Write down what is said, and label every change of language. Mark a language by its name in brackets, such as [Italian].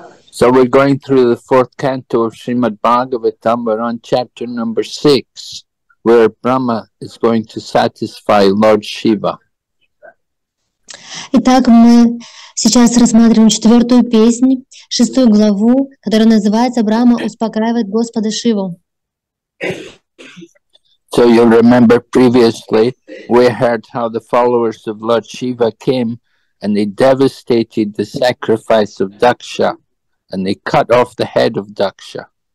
[English] So we're going through the fourth canto of Srimad Bhagavatam. We're on chapter number 6, where Brahma is going to satisfy Lord Shiva. [Russian] Итак, мы сейчас рассматриваем четвертую песню, шестую главу, которая называется «Брама успокаивает Господа Шиву». [English] So you'll remember previously we heard how the followers of Lord Shiva came and they devastated the sacrifice of Daksha and they cut off the head of Daksha.